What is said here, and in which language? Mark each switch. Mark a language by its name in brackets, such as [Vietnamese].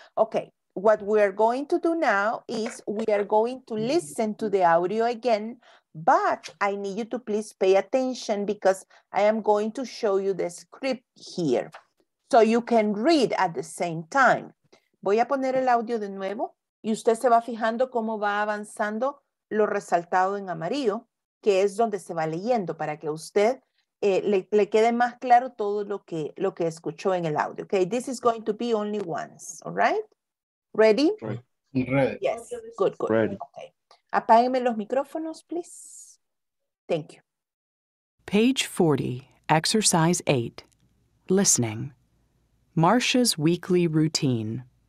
[English] Okay, what we are going to do now is we are going to listen to the audio again, but I need you to please pay attention because I am going to show you the script here so you can read at the same time. [Spanish] Voy a poner el audio de nuevo y usted se va fijando cómo va avanzando lo resaltado en amarillo, que es donde se va leyendo para que a usted le quede más claro todo lo que escuchó en el audio. [English] Okay, this is going to be only once, all right? Ready? Ready. Yes, good, good. Ready. Okay. [Spanish] Apáguenme los micrófonos, [English] please. Thank you. Page 40, Exercise 8, Listening. Marcia's Weekly Routine.